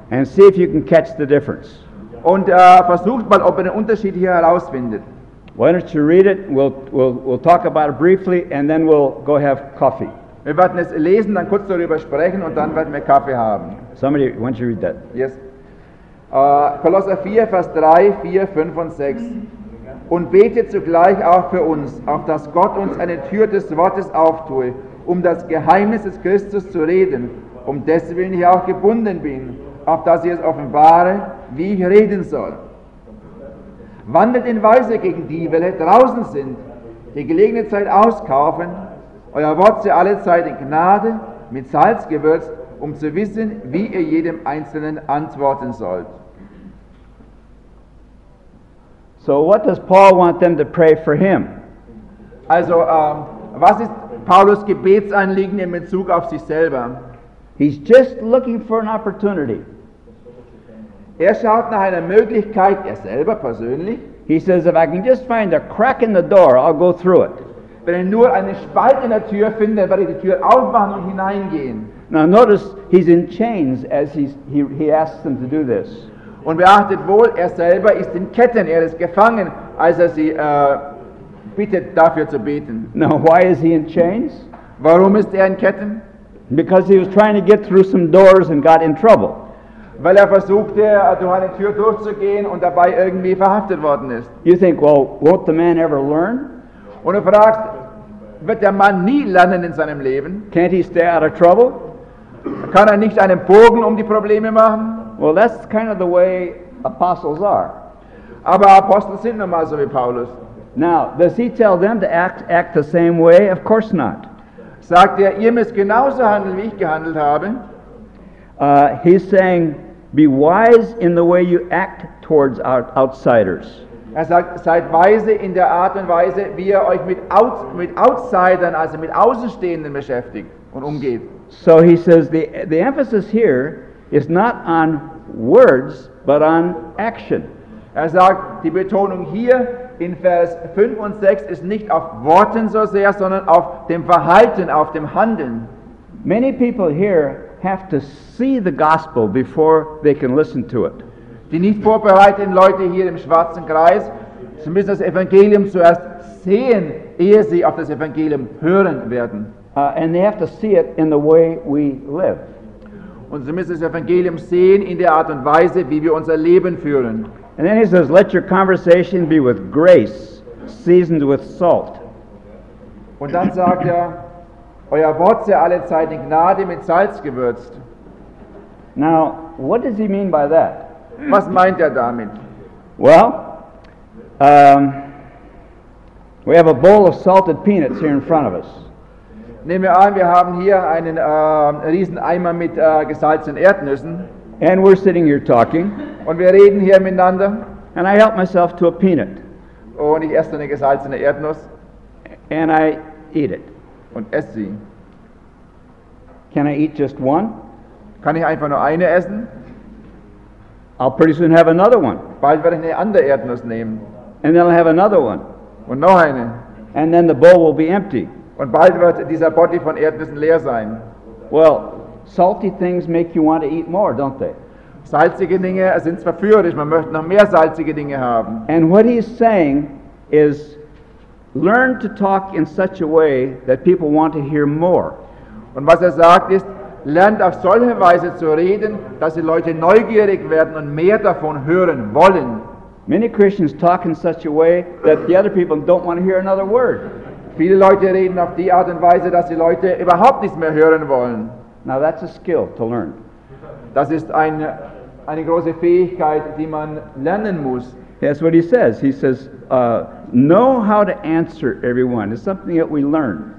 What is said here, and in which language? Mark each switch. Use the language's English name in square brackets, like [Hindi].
[English] And see if you can catch the difference. [German] Und versucht mal, ob ihr den Unterschied hier herausfindet. [English] Why don't you read it? We'll talk about it briefly, and then we'll go have coffee. [German] Wir werden es lesen, dann kurz darüber sprechen und dann werden wir Kaffee haben. [English] Somebody, why don't you read that? [German] Yes. Kolosser 4, Vers 3, 4, 5 und 6. Und betet zugleich auch für uns, auf dass Gott uns eine Tür des Wortes auftue, um das Geheimnis des Christus zu reden, um dessen Willen ich auch gebunden bin, auf dass ich es offenbare, wie ich reden soll. Wandelt in Weise gegen die, welche draußen sind, die gelegene Zeit auskaufen, euer Wort sei alle Zeit in Gnade, mit Salz gewürzt, um zu wissen, wie ihr jedem Einzelnen antworten sollt. [English] So what does Paul want them to pray for him? [German] Also, was ist Paulus Gebetsanliegen in Bezug auf sich selber? [English] He's just looking for an opportunity. [German] Er schaut nach einer Möglichkeit, er selber persönlich. [English] He says, if I can just find a crack in the door, I'll go through it. [German] Wenn ich nur eine Spalte in der Tür finde, werde ich die Tür aufmachen und hineingehen. [English] Now notice, he's in chains as he asks them to do this. [German] Und beachtet wohl, er selber ist in Ketten, er ist gefangen, als er sie bittet, dafür zu beten. [English] Now why is he in chains? [German] Warum ist er in Ketten? [English] Because he was trying to get through some doors and got in trouble. [German] Weil er versuchte, durch eine Tür durchzugehen und dabei irgendwie verhaftet worden ist. [English] You think, well, won't the man ever learn? [German] Und er fragt, wird der Mann nie lernen in seinem Leben? [English] Can't he stay out of trouble? [German] Kann er nicht einen Bogen um die Probleme machen? [English] Well, that's kind of the way apostles are. [German] Aber Apostel sind nun mal so wie Paulus. [English] Now, does he tell them to act the same way? Of course not. [German] Sagt er, ihr müsst genauso handeln, wie ich gehandelt habe? [English] He's saying, be wise in the way you act towards outsiders. [German] Er sagt, seid weise in der Art und Weise, wie ihr euch mit Outsidern, also mit Außenstehenden beschäftigt und umgeht. [English] So he says, the emphasis here is not on words, but on action. [German] Er sagt, die Betonung hier in Vers 5 und 6 ist nicht auf Worten so sehr, sondern auf dem Verhalten, auf dem Handeln. [English] Many people here have to see the gospel before they can listen to it. [German] Die nicht vorbereiteten Leute hier im schwarzen Kreis, sie müssen das Evangelium zuerst sehen, ehe sie auf das Evangelium hören werden. [English] And they have to see it in the way we live. [German] Und sie müssen das Evangelium sehen in der Art und Weise, wie wir unser Leben führen. [English] And then he says, let your conversation be with grace, seasoned with salt. [German] Und dann sagt er, euer Wort sei alle Zeit in Gnade mit Salz gewürzt. [English] Now, what does he mean by that? [German] Was meint er damit? [English] Well, we have a bowl of salted peanuts here in front of us. [German] Nehmen wir an, wir haben hier einen riesen Eimer mit gesalzenen Erdnüssen. [English] And we're sitting here talking. [German] Und wir reden hier miteinander. [English] And I help myself to a peanut. [German] Und ich esse eine gesalzene Erdnuss. [English] And I eat it. [German] Und esse sie. [English] Can I eat just one? [German] Kann ich einfach nur eine essen? [English] I'll pretty soon have another one. [German] Bald werde ich eine andere Erdnuss nehmen. [English] And then I'll have another one. [German] Und noch eine. [English] And then the bowl will be empty. [German] Und bald wird dieser Body von Erdnüssen leer sein. [English] Well, salty things make you want to eat more, don't they? [German] Salzige Dinge sind zwar verführerisch, man möchte noch mehr salzige Dinge haben. [English] And what he's saying is, learn to talk in such a way that people want to hear more. [German] Und was er sagt ist, lernt auf solche Weise zu reden, dass die Leute neugierig werden und mehr davon hören wollen. [English] Many Christians talk in such a way that the other people don't want to hear another word. [German] Viele Leute reden auf die Art und Weise, dass die Leute überhaupt nichts mehr hören wollen. [English] Now that's a skill to learn. [German] Das ist eine große Fähigkeit, die man lernen muss. [English] That's what he says. He says, know how to answer everyone. It's something that we learn.